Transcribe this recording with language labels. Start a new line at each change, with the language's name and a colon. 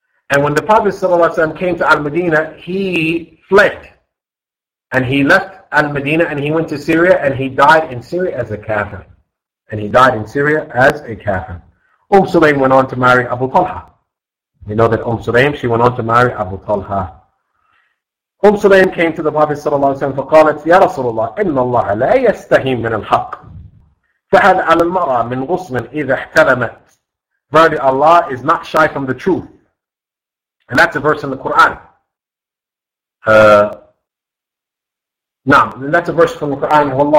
English: And when the Prophet ﷺ came to Al-Medina, he fled. And he left Al-Medina and he went to Syria, and he died in Syria as a kafir. And he died in Syria as a kafir. Sulaim went on to marry Abu Talha. We know that Sulaim, she went on to marry Abu Talha. Sulaim came to the Prophet
Arabic: صلى الله عليه وسلم فقالت يا رسول الله إن الله لا يستحي من الحق فهل على المرأة من غصن إذا احتلمت.
English: Verily Allah is not shy from the truth. And that's a verse in the Quran. That's a verse from the Quran.